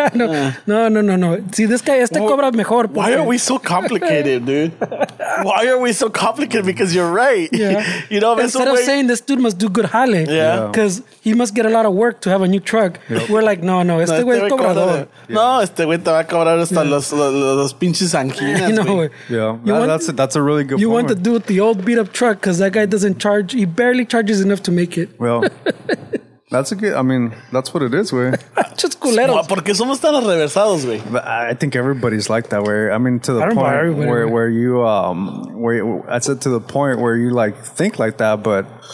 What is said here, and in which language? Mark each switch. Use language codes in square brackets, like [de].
[en] No. See, this guy, [es] este cobra mejor. [en] Why are we so complicated, dude? Why are we so complicated? Because you're right. Yeah. You know, instead of saying this dude must do good jale, because he must get a lot of work to have a new truck, we're like, [es] no, este güey es cobrador. No, este güey te va a cobrar hasta los pinches anginas. [en] You know, güey. Yeah, that's a really good point. You want to do the old beat up truck because that guy doesn't charge, he barely charges enough to make it. Well, that's a good, I mean, that's what it is, güey. Just culeros. [es] ¿Por qué somos tan reversados, güey? [en] I think everybody's like that, güey. I mean, to the point where you, where I said to the point where you like think like that, but.